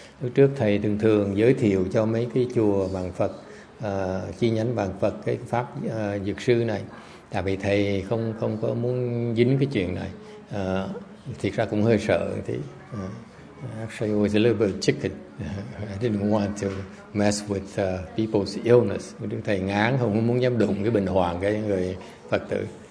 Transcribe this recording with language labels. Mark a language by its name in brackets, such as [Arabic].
[Vietnamese] Lúc trước thầy thường giới thiệu cho mấy cái chùa bằng Phật, chi nhánh bằng Phật, cái pháp dược sư này, tại vì thầy không có muốn dính cái chuyện này, thiệt ra cũng hơi sợ thì. [English] Actually, it was a little bit chicken. I didn't want to mess with people's illness. [Vietnamese] Đức thầy ngán, không muốn dám đụng cái bệnh hoạn cái người Phật tử.